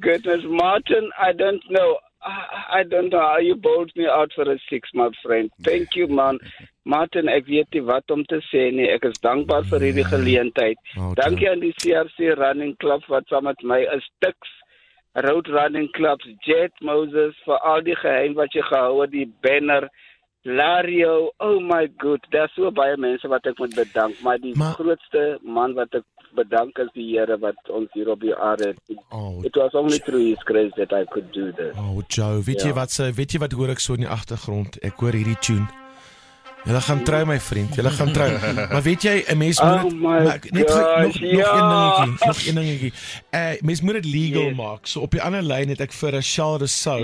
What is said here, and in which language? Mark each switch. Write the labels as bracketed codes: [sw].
[en] Goodness, Martin, I don't know how you bowled me out for a six, my friend. Thank you, man. [af] Martin, ek weet nie wat om te sê nie. Ek is dankbaar vir hierdie geleentheid. Okay. Dankie aan die CRC Running Club wat saam met my is. Tix, Road Running Clubs, Jet Moses, vir al die geheim wat jy gehou het, die banner, Lario, [en] oh my god, [af] daar is so baie mense wat ek moet bedank, maar die grootste man wat ek bedank is die Here wat ons hier op die aarde het. Oh, [en] it was only through his grace that I could do this. [af] Oh Joe, weet jy wat hoor ek so in die agtergrond? Ek hoor hierdie tune. Julle gaan trou, my vriend. Julle gaan trou. Maar weet jy, 'n mens moet nog een dingetjie. Mens moet dit legal maak. So op die ander lyn het ek vir Rochelle Rousseau.